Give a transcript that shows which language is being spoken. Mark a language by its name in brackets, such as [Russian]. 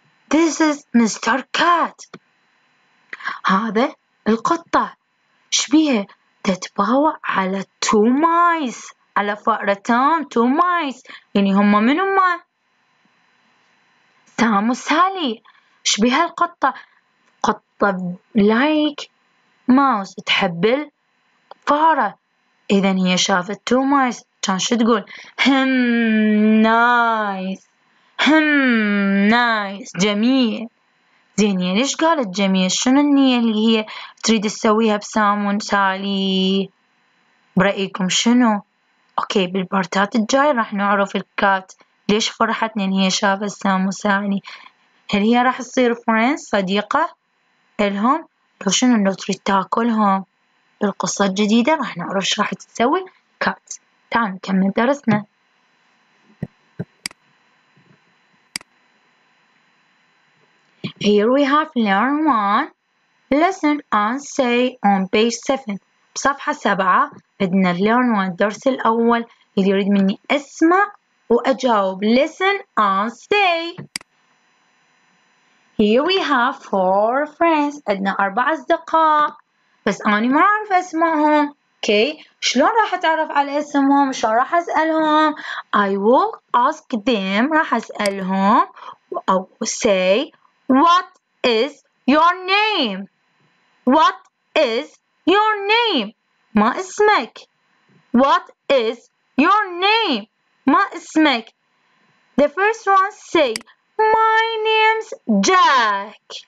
[English] This is Mr. Cat. [Arabic] هذا القطة. شبيه تتباوع على [English] two mice. [Arabic] على فأرتان [English] two mice. [Arabic] يعني هما من هما؟ سام وسالي. شبيه القطة. [English] قطة like mouse. [Arabic] تحب الفأرة. إذا هي شافت [English] two mice. [Arabic] كان شو تقول؟ هم nice. هم نايس جميل. زين هي ليش قالت جميل؟ شنو النية اللي هي تريد تسويها بسام وسالي؟ برأيكم شنو؟ اوكي بالبارتات الجاي راح نعرف الكات ليش فرحت ان هي شافت سام وسالي. هل هي راح تصير فريندز صديقة الهم؟ لو شنو لو تريد تاكلهم؟ بالقصة الجديدة راح نعرف ايش راح تسوي كات. تعال نكمل درسنا. [English] Here we have learn one lesson and say on page 7. [Arabic] بصفحة 7 بدنا learn والدرس الأول اللي يريد مني أسمع وأجاوب [English] listen and say. Here we have four friends. [Arabic] أدنا أربع أصدقاء. بس أنا ما أعرف أسمعهم. Okay. شلون راح أتعرف على اسمهم؟ شلون راح أسألهم؟ [English] I will ask them. [Arabic] راح أسألهم. [English] أو say what is your name? What is your name? [Arabic] ما اسمك؟ [English] What is your name? [Arabic] ما اسمك؟ [English] The first one say my name's Jack.